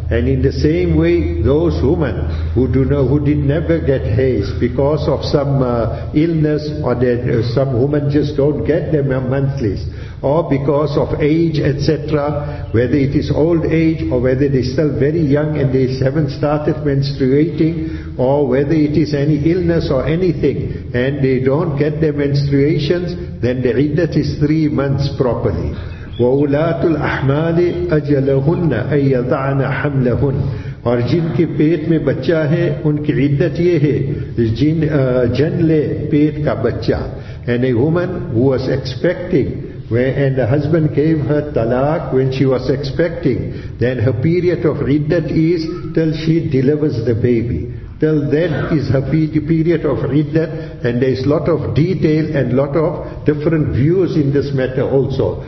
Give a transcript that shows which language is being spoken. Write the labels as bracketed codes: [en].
[en] And in the same way, those women who did never get haiz because of some illness, or that some women just don't get their monthlies, or because of age, etc., whether it is old age or whether they're still very young and they haven't started menstruating, or whether it is any illness or anything and they don't get their menstruations, then the iddat is 3 months properly. [ar] وَأُولَاتُ الْأَحْمَالِ أَجَلَهُنَّ أَن يَضَعْنَ حَمْلَهُنَّ. [ur] اور جن کے پیٹ میں بچہ ہے ان کی عدت یہ ہے, جن لے پیٹ کا بچہ. [en] And a woman who was expecting, and the husband gave her talaq when she was expecting, then her period of iddat is till she delivers the baby. Till then is her period of iddat, and there is lot of detail and lot of different views in this matter also.